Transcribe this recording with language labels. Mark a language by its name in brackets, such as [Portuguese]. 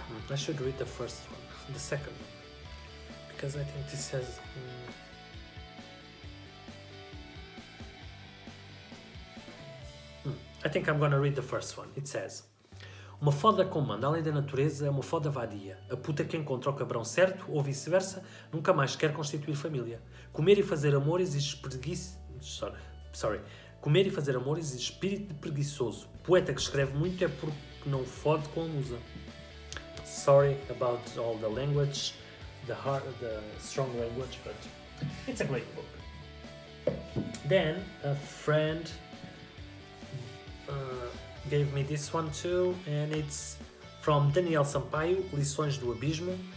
[English] I should read the first one, the second one, because I think this has... I think I'm gonna read the first one. It says: [Portuguese] uma foda com uma, além da natureza, é uma foda vadia. A puta que encontra o cabrão certo, ou vice-versa, nunca mais quer constituir família. Comer e fazer amor exige preguiça... Sorry. Comer e fazer amor exige espírito de preguiçoso. Poeta que escreve muito é porque não fode com a musa. [English] Sorry about all the language, the hard, the strong language, but it's a great book. Then, a friend... gave me this one too, and it's from Daniel Sampaio, Lições do Abismo.